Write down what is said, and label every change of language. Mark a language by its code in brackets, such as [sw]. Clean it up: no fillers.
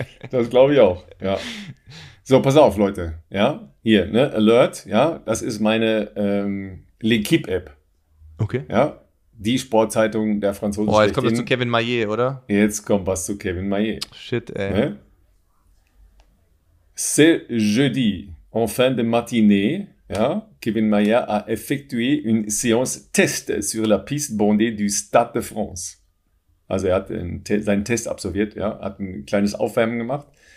[de] Das glaube ich auch, ja. So, pass auf, Leute, ja, hier, ne, Alert, ja, das ist meine L'Equipe-App. Okay. Ja, die Sportzeitung der Franzosen. Boah, jetzt kommt was zu Kevin Maillet, oder? Jetzt kommt was zu Kevin Maillet. Shit, ey. Ne? [fr] C'est jeudi, en fin de matinée, ja, Kevin Maillet a effectué une séance test sur la piste bondée du Stade de France. [de] Also er hat seinen Test absolviert, ja, hat ein kleines Aufwärmen gemacht.